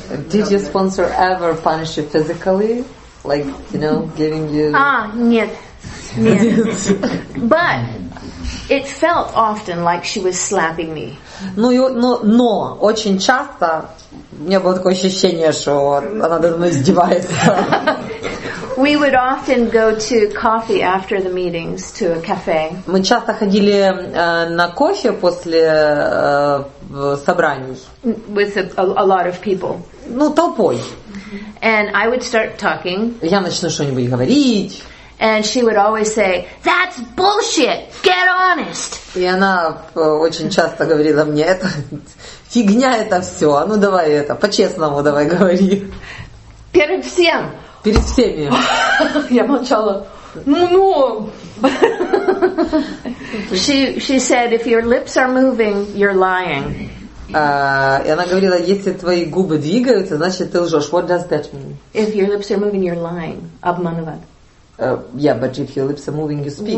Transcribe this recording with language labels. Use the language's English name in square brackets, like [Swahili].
[English] Did your sponsor ever punish you physically? Like, you know, giving you... [Russian] Нет. Нет. [English] But... It felt often like she was slapping me. [Russian] Но очень часто у меня было такое ощущение, что она надо мной издевается. [English] We would often go to coffee after the meetings to a cafe. [Russian] Мы часто ходили на кофе после собраний. [English] With a lot of people. [Russian] Ну, толпой. [English] And I would start talking. [Russian] Я начну что-нибудь говорить. [English] And she would always say, "That's bullshit. Get honest." [Russian] И она очень часто говорила мне, это фигня, это все. А ну давай это по-честному, давай говори. Перед всем. Перед всеми. Я молчала. Ну. [English] She said, "If your lips are moving, you're lying." [Russian] И она говорила, если твои губы двигаются, значит ты лжешь. [English] What does that mean? If your lips are moving, you're lying. [Russian] Обманывать. [English] Yeah, but if your lips are moving, you speak.